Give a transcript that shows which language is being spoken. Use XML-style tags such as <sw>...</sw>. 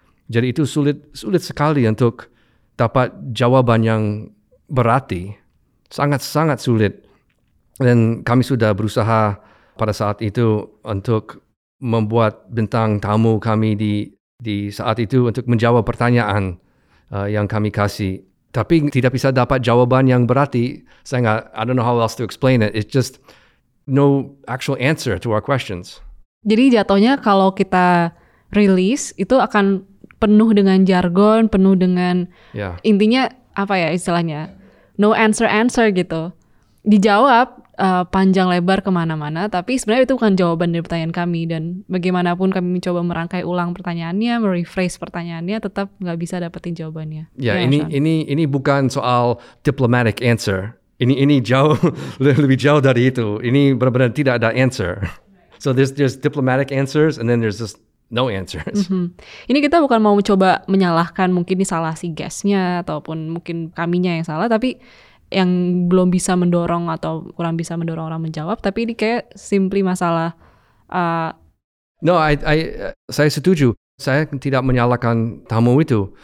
<id>Jadi itu sulit sekali untuk dapat jawaban yang berarti, sangat-sangat sulit. Dan kami sudah berusaha pada saat itu untuk membuat bintang tamu kami di saat itu untuk menjawab pertanyaan yang kami kasih. Tapi tidak bisa dapat jawaban yang berarti. Saya nggak,</id> <en>I don't know how else to explain it. It's just no actual answer to our questions.</en> <id>Jadi jatuhnya kalau kita rilis, itu akan penuh dengan jargon, penuh dengan intinya apa ya istilahnya,</id> <en>no answer</en> <id>gitu. Dijawab panjang lebar kemana-mana, tapi sebenarnya itu bukan jawaban dari pertanyaan kami. Dan bagaimanapun kami mencoba merangkai ulang pertanyaannya, merephrase pertanyaannya, tetap nggak bisa dapetin jawabannya. Ini bukan soal diplomatic answer. Ini jauh lebih jauh dari itu. Ini benar-benar tidak ada answer.</id> <en>So there's diplomatic answers and then there's just no answers. Mm-hmm.</en> <id>Ini kita bukan mau mencoba menyalahkan mungkin ini salah si guest-nya ataupun mungkin kaminya yang salah, tapi yang belum bisa mendorong atau kurang bisa mendorong orang menjawab, tapi ini kayak simply masalah. Saya setuju. Saya tidak menyalahkan tamu itu.</id>